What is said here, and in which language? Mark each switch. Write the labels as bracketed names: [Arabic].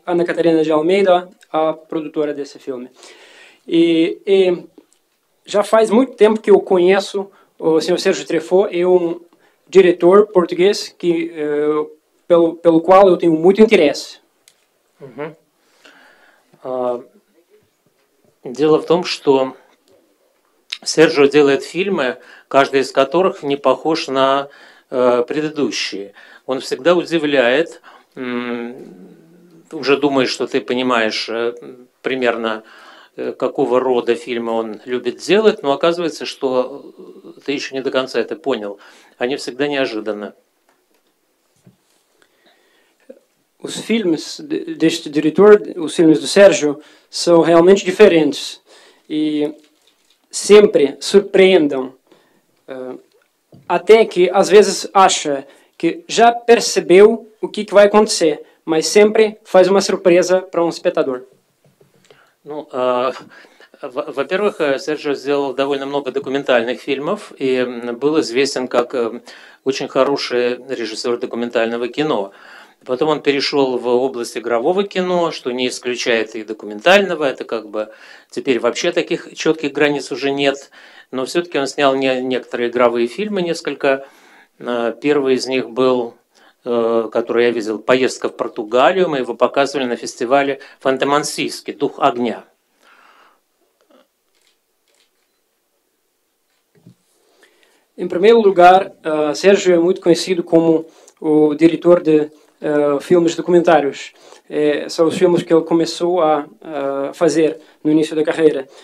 [Portuguese] Ana Catarina de Almeida, a produtora desse filme. E já faz muito tempo que eu conheço o Sr. Sérgio Trefo, é um diretor português que, pelo qual eu tenho muito interesse. [Russian] Дело в том, что Сержио делает фильмы, каждый из которых не похож на предыдущие. Он всегда удивляет, уже думаешь, что ты понимаешь примерно, какого рода фильмы он любит делать, но оказывается, что ты еще не до конца это понял. Они всегда неожиданны. [Portuguese] Os filmes deste diretor, os filmes do Sérgio, são realmente diferentes e sempre surpreendem, até que às vezes acha que já percebeu o que vai acontecer, mas sempre faz uma surpresa para um espectador. [Russian] Ну, во-первых, Сержио сделал довольно много документальных фильмов и был известен как очень хороший режиссер документального кино. Потом он перешел в область игрового кино, что не исключает и документального. Это как бы теперь вообще таких четких границ уже нет. Но все-таки он снял некоторые игровые фильмы, несколько. Первый из них был, который я видел, «Поездка в Португалию». Мы его показывали на фестивале «Фантомансийске», «Дух огня». [Portuguese] Em primeiro lugar, Sérgio é muito conhecido como o diretor de filmes documentários. São os filmes que ele começou a fazer no início da carreira.